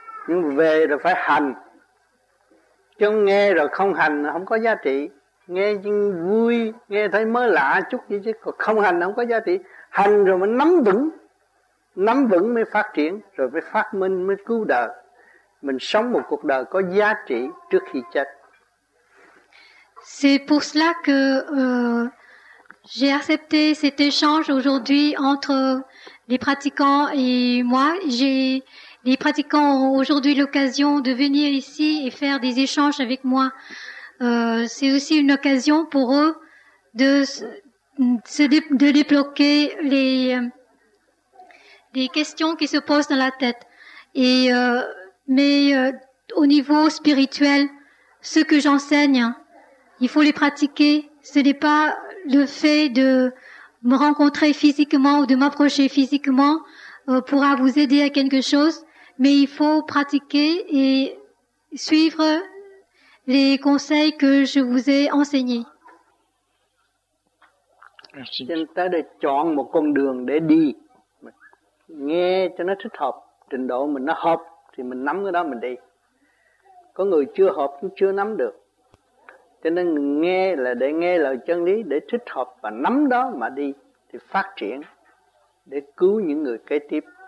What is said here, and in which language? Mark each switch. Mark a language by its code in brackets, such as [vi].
[vi] Nhưng về rồi phải hành, chứ nghe rồi không hành là không có giá trị. Nghe nhưng vui, nghe thấy mới lạ chút gì chứ còn không hành là không có giá trị. Hành rồi mới nắm vững, nắm vững mới phát triển, rồi mới phát minh, mới cứu đời. Mình sống một cuộc đời có giá trị trước khi chết. [fr] C'est pour cela que j'ai accepté cet échange aujourd'hui entre les pratiquants et moi. Les pratiquants ont aujourd'hui l'occasion de venir ici et faire des échanges avec moi. C'est aussi une occasion pour eux de débloquer les questions qui se posent dans la tête. Mais au niveau spirituel, ce que j'enseigne, il faut les pratiquer. Ce n'est pas le fait de me rencontrer physiquement ou de m'approcher physiquement pourra vous aider à quelque chose. Mais il faut pratiquer et suivre les conseils que je vous ai enseignés. Merci. [vi] Chúng ta đã chọn một con đường để đi, nghe cho nó thích hợp, trình độ mình nó hợp thì mình nắm cái đó mình đi. Có người chưa hợp cũng chưa nắm được. Cho nên nghe là để nghe lời chân lý, để thích hợp và nắm đó mà đi thì phát triển để cứu những người kế tiếp.